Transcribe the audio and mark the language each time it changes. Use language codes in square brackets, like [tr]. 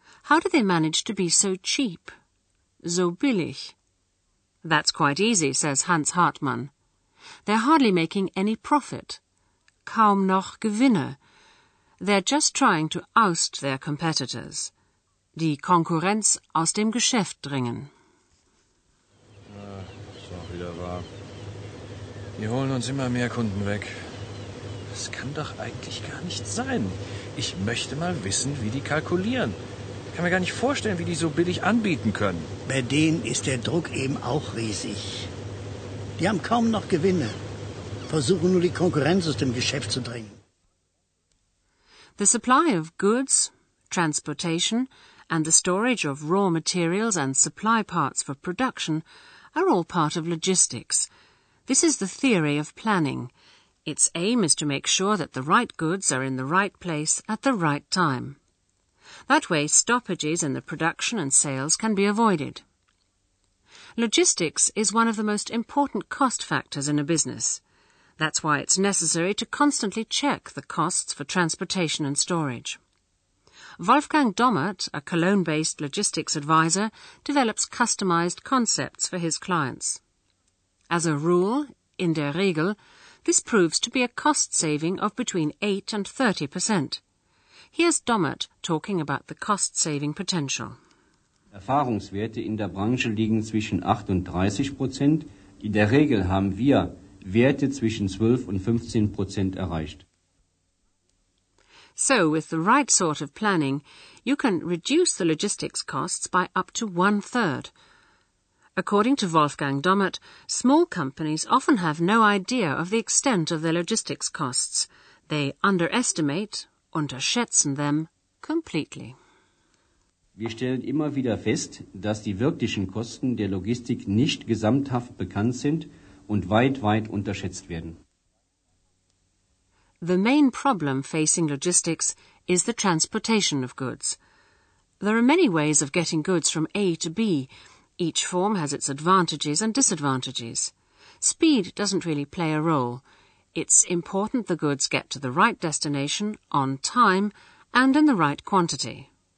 [en] How do they manage to be so cheap? [de] So billig. [en] That's quite easy, says Hans Hartmann. They're hardly making any profit. [de] Kaum noch Gewinne. [en] They're just trying to oust their competitors. [de] Die Konkurrenz aus dem Geschäft drängen. Das war wieder wahr. Die holen uns immer mehr Kunden weg. Das kann doch eigentlich gar nicht sein. Ich möchte mal wissen, wie die kalkulieren. Ich kann mir gar nicht vorstellen, wie die so billig anbieten können. Bei denen ist der Druck eben auch riesig. Die haben kaum noch Gewinne. Versuchen nur die Konkurrenz aus dem Geschäft zu drängen. [en] The supply of goods, transportation and the storage of raw materials and supply parts for production are all part of logistics. This is the theory of planning. Its aim is to make sure that the right goods are in the right place at the right time. That way, stoppages in the production and sales can be avoided. Logistics is one of the most important cost factors in a business. That's why it's necessary to constantly check the costs for transportation and storage. Wolfgang Dommert, a Cologne-based logistics advisor, develops customized concepts for his clients. As a rule, [de] in der Regel, [en] this proves to be a cost saving of between 8 and 30%. Here's Dommert talking about the cost saving potential. [de] Erfahrungswerte in der Branche liegen zwischen 8 und 30%. In der Regel haben wir Werte zwischen 12 und 15% erreicht. [en] So, with the right sort of planning, you can reduce the logistics costs by up to 1/3. According to Wolfgang Dommert, small companies often have no idea of the extent of their logistics costs. They underestimate, unterschätzen them, completely. [de] Wir stellen immer wieder fest, dass die wirklichen Kosten der Logistik nicht gesamthaft bekannt sind und weit, weit unterschätzt werden. [en] The main problem facing logistics is the transportation of goods. There are many ways of getting goods from A to B. Each form has its advantages and disadvantages. Speed doesn't really play a role. It's important the goods get to the right destination, on time, and in the right quantity.